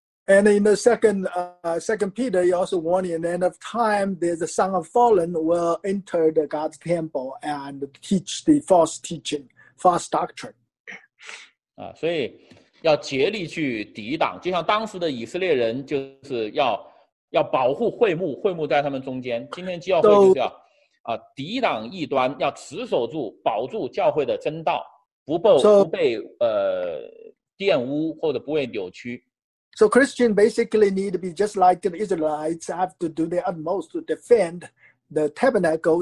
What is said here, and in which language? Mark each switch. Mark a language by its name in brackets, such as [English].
[English] And in the second Peter, he also warned in the end of time, there's a son of fallen will enter the God's temple and teach the false teaching, false doctrine. [Chinese] 所以要竭力去抵挡，就像当时的以色列人就是要保护会幕，会幕在他们中间。今天教会就是要抵挡异端，要持守住、保住教会的真道，不被玷污或者不被扭曲。 [English] So Christian basically need to be just like the Israelites have to do their utmost to defend the tabernacle.